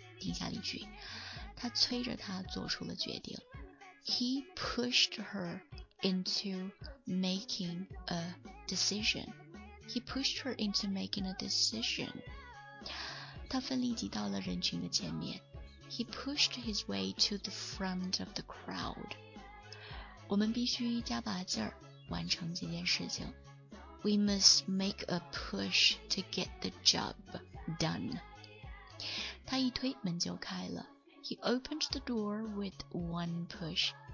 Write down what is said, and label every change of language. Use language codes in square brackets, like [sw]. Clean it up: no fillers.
[zh] 听下例句，他催着他做出了决定。 [en] He pushed her into making a decision。 He pushed her into making a decision. [zh] 他奋力挤到了人群的前面。 [en] He pushed his way to the front of the crowd. [zh] 我们必须加把劲儿完成这件事情。 [en] We must make a push to get the job done. [zh] 他一推门就开了。 [en] He opened the door with one push.